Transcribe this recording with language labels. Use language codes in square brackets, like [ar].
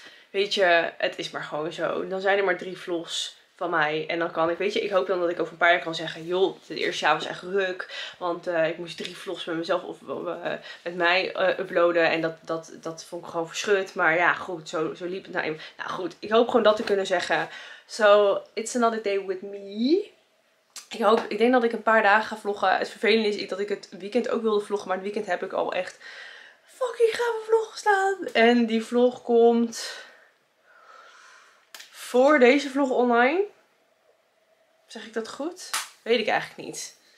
[nl] Weet je, het is maar gewoon zo. Dan zijn er maar 3 vlogs. Van mij. En dan kan ik, weet je, ik hoop dan dat ik over een paar jaar kan zeggen, joh, het eerste jaar was echt ruk. Want ik moest 3 vlogs met mezelf of met mij uploaden. En dat vond ik gewoon verschut. Maar ja, goed, zo liep het naar nou, goed, ik hoop gewoon dat te kunnen zeggen. [en] So, it's another day with me. [nl] Ik denk dat ik een paar dagen ga vloggen. Het vervelende is dat ik het weekend ook wilde vloggen. Maar het weekend heb ik al echt fucking gave vlog staan. En die vlog komt... Voor deze vlog online. Zeg ik dat goed? Weet ik eigenlijk niet.